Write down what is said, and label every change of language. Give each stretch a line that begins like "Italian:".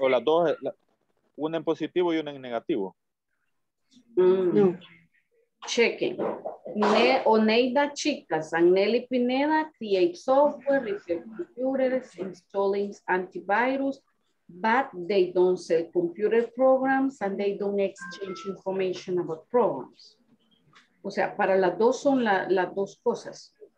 Spanish: O las dos, una en positivo y una en negativo. No. Chequen.
English: Oneida Chicas and Nelly Pineda create software, repair computers, installing antivirus, but they don't sell computer programs and they don't exchange information about programs.
Spanish: O sea, para las dos son las dos cosas.